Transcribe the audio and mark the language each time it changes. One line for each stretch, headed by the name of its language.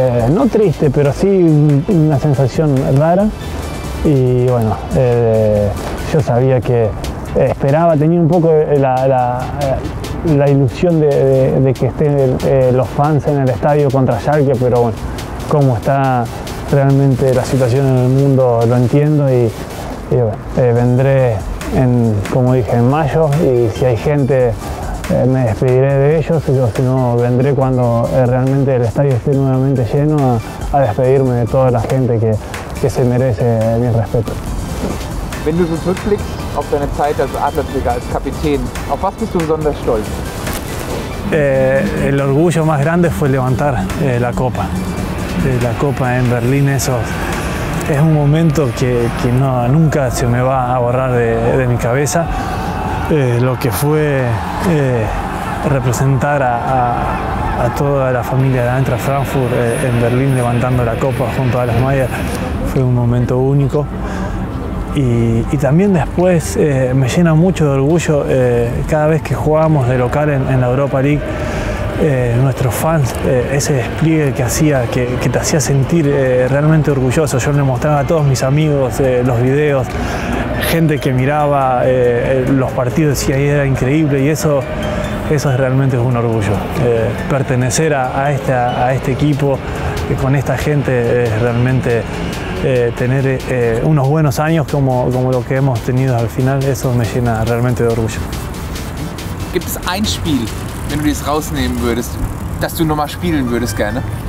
Spanish: no triste, pero sí una sensación rara. Y bueno, yo sabía que esperaba, tenía un poco la ilusión de que estén los fans en el estadio contra Schalke, pero bueno, cómo está realmente la situación en el mundo lo entiendo y bueno, vendré, como dije, en mayo, y si hay gente me despediré de ellos, yo si no vendré cuando realmente el estadio esté nuevamente lleno a despedirme de toda la gente que se merece mi respeto.
German: Wenn du so zurückblickst auf deine Zeit als Adlerträger, als Kapitän, auf was bist du besonders stolz?
Spanish: El orgullo más grande fue levantar la Copa. La Copa en Berlín, eso es un momento que no, nunca se me va a borrar de mi cabeza. Lo que fue representar a toda la familia de Eintracht Frankfurt en Berlín levantando la copa junto a las Mayer fue un momento único. Y también después me llena mucho de orgullo cada vez que jugábamos de local en la Europa League, nuestros fans, ese despliegue que hacía, que te hacía sentir realmente orgulloso. Yo le mostraba a todos mis amigos los videos. Gente que miraba los partidos y ahí era increíble y eso realmente es un orgullo. Pertenecer a este equipo con esta gente es realmente tener unos buenos años como lo que hemos tenido al final, eso me llena realmente de orgullo.
German: Gibt es ein Spiel, wenn du dies rausnehmen würdest, das du nochmal spielen würdest gerne?